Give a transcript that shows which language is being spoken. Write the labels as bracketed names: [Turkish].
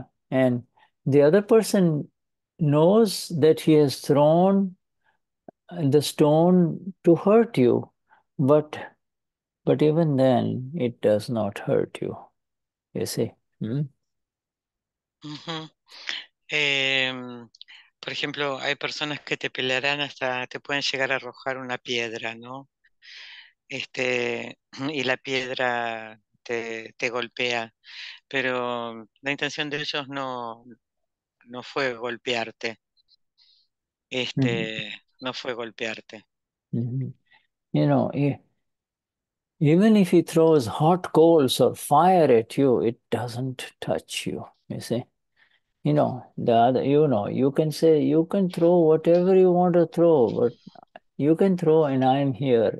[English] And the other person knows that he has thrown the stone to hurt you, but even then, it does not hurt you, you see. Mm? Uh-huh. [Spanish] Por ejemplo, hay personas que te pelearán hasta, te pueden llegar a arrojar una piedra, ¿no? Y la piedra te golpea, pero la intención de ellos no fue golpearte. Uh-huh. No fue golpearte. Uh-huh. [English] You know, even if he throws hot coals or fire at you, it doesn't touch you, you see. You know, you can throw whatever you want to throw, but you can throw and I'm here.